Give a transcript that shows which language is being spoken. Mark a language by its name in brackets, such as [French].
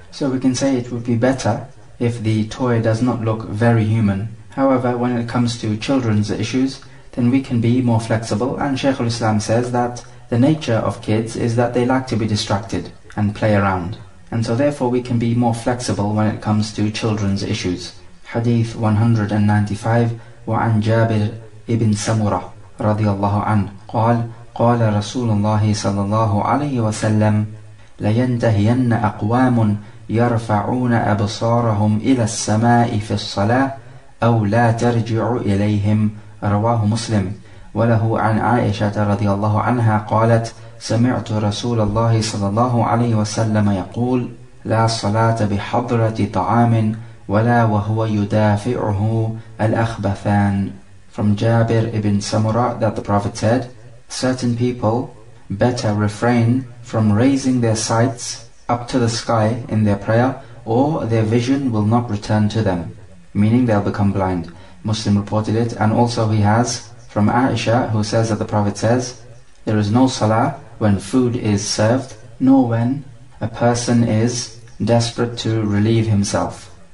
[English] So we can say it would be better if the toy does not look very human. However, when it comes to children's issues, then we can be more flexible, and Shaykh al-Islam says that the nature of kids is that they like to be distracted and play around. And so therefore we can be more flexible when it comes to children's issues. [Arabic] Hadith 195, وَعَنْ جَابِرْ إِبْنِ سَمُرَةٍ رَضِيَ اللَّهُ عَنْهُ قَالَ قَالَ رَسُولُ اللَّهِ صَلَى اللَّهُ عَلَيْهِ وَسَلَّمْ لَيَنْتَهِيَنَّ أَقْوَامٌ يَرْفَعُونَ أَبْصَارَهُمْ إِلَى السَّمَاءِ فِي الصَّلَاةِ أَوْ لَا تَرْجِعُ إِلَيْهِمْ رواه مسلم وله عن عائشة رضي الله عنها قالت سمعت رسول الله صلى الله عليه وسلم يقول لا صلاة بحضرة طعام ولا وهو يدافعه الأخبثان. [English] From Jabir ibn Samura that the Prophet said, certain people better refrain from raising their sights up to the sky in their prayer, or their vision will not return to them, meaning they'll become blind. Muslim reported it, and also he has from Aisha, who says that the Prophet says, there is no salah when food is served, nor when a person is desperate to relieve himself.